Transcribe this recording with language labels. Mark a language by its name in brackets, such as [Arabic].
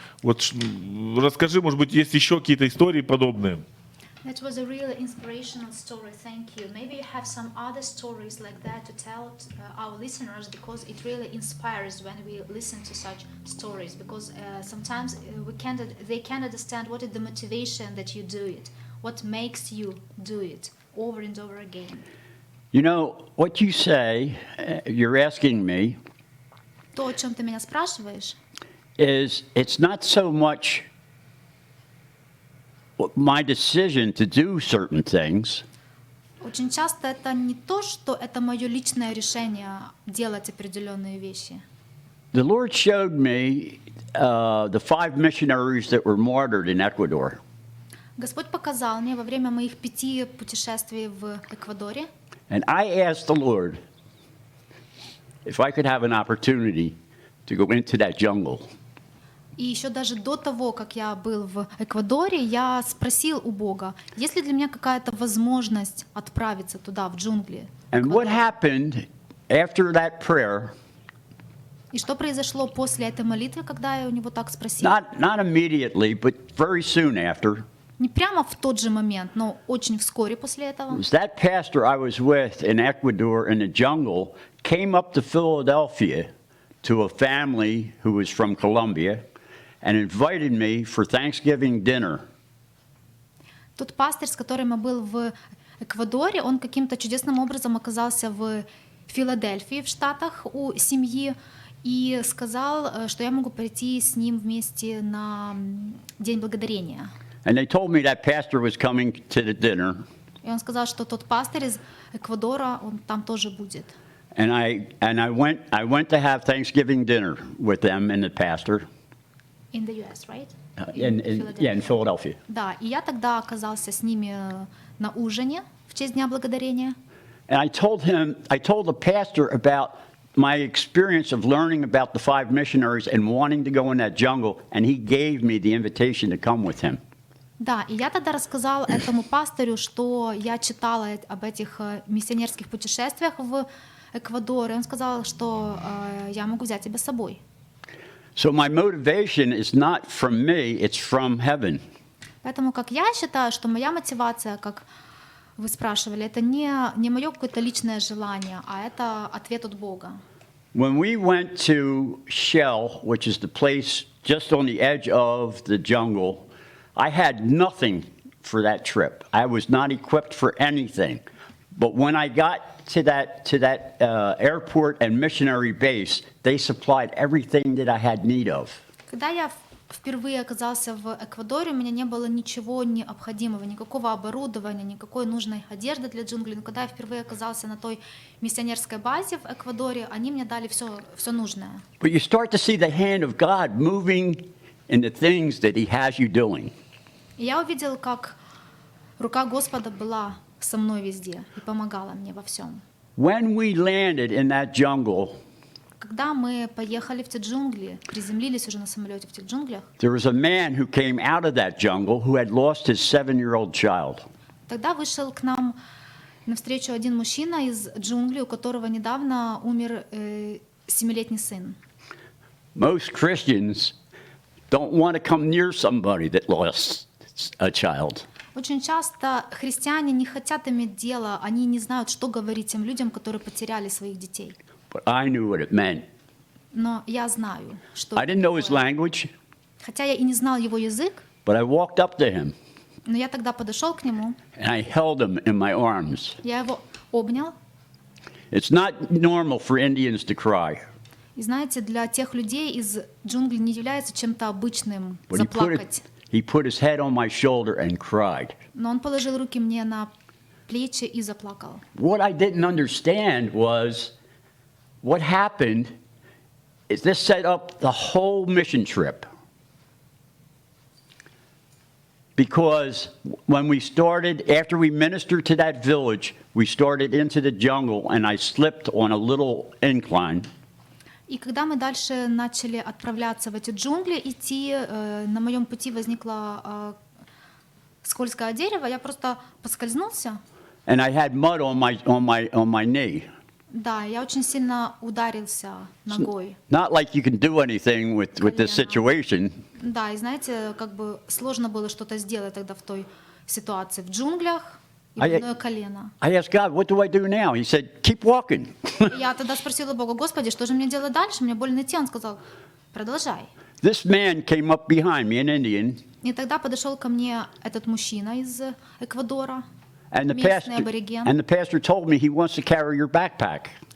[Russian] Вот расскажи, может быть, есть еще какие-то истории подобные? [English] That was a really inspirational story. Thank you. Maybe you have some other stories like that to tell our listeners, because it really inspires when we listen to such stories, because sometimes they can't understand what is the motivation that you do it, what makes you do it over and over again. You know, what you say, you're asking me, [Russian] то, о чем ты меня спрашиваешь, [English] is it's not so much my decision to do certain things. [Russian] Очень часто это не то, что это мое личное решение делать определенные вещи. [English] The Lord showed me the 5 missionaries that were martyred in Ecuador. [Russian] Господь показал мне во время моих пяти путешествий в Эквадоре. [English] And I asked the Lord if I could have an opportunity to go into that jungle. [Russian] И еще даже до того, как я был в Эквадоре, я спросил у Бога, есть ли для меня какая-то возможность отправиться туда, в джунгли. [English] And what happened after that prayer? [Russian] И что произошло после этой молитвы, когда я у него так спросил? [English] Not immediately, but very soon after. [Russian] Не прямо в тот же момент, но очень вскоре после этого. [English] It was that pastor I was with in Ecuador in the jungle came up to Philadelphia to a family who was from Colombia and invited me for Thanksgiving dinner. [Russian] Тот пастор, с которым я был в Эквадоре, он каким-то чудесным образом оказался в Филадельфии, в Штатах, у семьи, и сказал, что я могу прийти с ним вместе на День Благодарения. [English] And they told me that pastor was coming to the dinner. [Russian] И он сказал, что тот пастор из Эквадора, он там тоже будет. [English] And I went to have Thanksgiving dinner with them and the pastor. In the U.S., right? In Philadelphia. [Russian] Да, и я тогда оказался с ними на ужине в честь Дня Благодарения. [English] And I told the pastor about my experience of learning about the five missionaries and wanting to go in that jungle, and he gave me the invitation to come with him. [Russian] Да, и я тогда рассказал этому пастору, что я читала об этих миссионерских путешествиях в Эквадор, и он сказал, что я могу взять тебя с собой. [English] So my motivation is not from me, it's from heaven. [Russian] Поэтому, как я считаю, что моя мотивация, как вы спрашивали, это не мое какое-то личное желание, а это ответ от Бога. [English] When we went to Shell, which is the place just on the edge of the jungle, I had nothing for that trip. I was not equipped for anything. But when I got to that airport and missionary base, they supplied everything that I had need of. [Russian] Когда я впервые оказался в Эквадоре, у меня не было ничего необходимого, никакого оборудования, никакой нужной одежды для джунглей. Но когда я впервые оказался на той миссионерской базе в Эквадоре, они мне дали все нужное. [English] But you start to see the hand of God moving in the things that He has you doing. [Russian] Я увидел, как рука Господа была со мной везде и помогала мне во всем. [English] When we landed in that jungle, [Russian] когда мы поехали в те джунгли, приземлились уже на самолете в тех джунглях, [English] there was a man who came out of that jungle who had lost his 7-year-old child. [Russian] Тогда вышел к нам навстречу один мужчина из джунглей, у которого недавно умер 7-летний сын. [English] Most Christians don't want to come near somebody that lost a child. [Russian] Очень часто христиане не хотят иметь дело, они не знают, что говорить тем людям, которые потеряли своих детей. [English] But I knew what it meant. [Russian] Но я знаю, что [English] I didn't know his language. [Russian] Хотя я и не знал его язык. [English] But I walked up to him. [Russian] Но я тогда подошел к нему. [English] And I held him in my arms. [Russian] Я его обнял. [English] It's not normal for Indians to cry. [Russian] И знаете, для тех людей из джунглей не является чем-то обычным заплакать. [English] He put his head on my shoulder and cried. [Russian] Но он положил руки мне на плечи и заплакал. [English] What I didn't understand was what happened is this set up the whole mission trip. Because when we started, after we ministered to that village, we started into the jungle and I slipped on a little incline. [Russian] И когда мы дальше начали отправляться в эти джунгли идти, на моем пути возникло скользкое дерево, я просто поскользнулся. [English] And I had mud on my knee. [Russian] Да, я очень сильно ударился ногой. [English] Not like you can do anything with this situation. [Russian] Да, и знаете, как бы сложно было что-то сделать тогда в той ситуации в джунглях. [English] I asked God, what do I do now? He said, keep walking. [Russian] Я тогда спросил у Бога, Господи, что же мне делать дальше? Мне больно идти. Он сказал, продолжай. [English] This man came up behind me, an Indian. [Russian] И тогда подошел ко мне этот мужчина из Эквадора, местный абориген. [English] And the pastor told me he wants to carry your backpack.